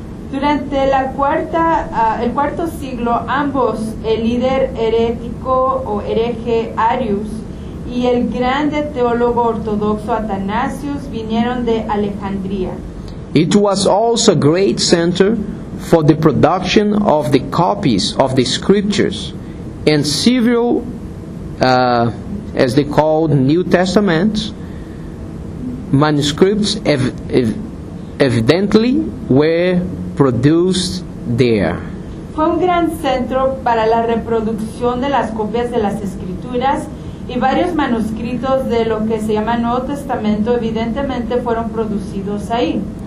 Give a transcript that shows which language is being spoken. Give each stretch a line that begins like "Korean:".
Spanish: Durante la cuarta, el cuarto siglo, ambos, el líder herético o hereje Arius y el grande teólogo ortodoxo Athanasius vinieron de Alejandría.
English: It was also a great center for the production of the copies of the scriptures and several, as they called, New Testament manuscripts evidently were produced there.
Spanish: Fue un gran centro para la reproducción de las copias de las escrituras y varios manuscritos de lo que se llama Nuevo Testamento evidentemente fueron producidos ahí.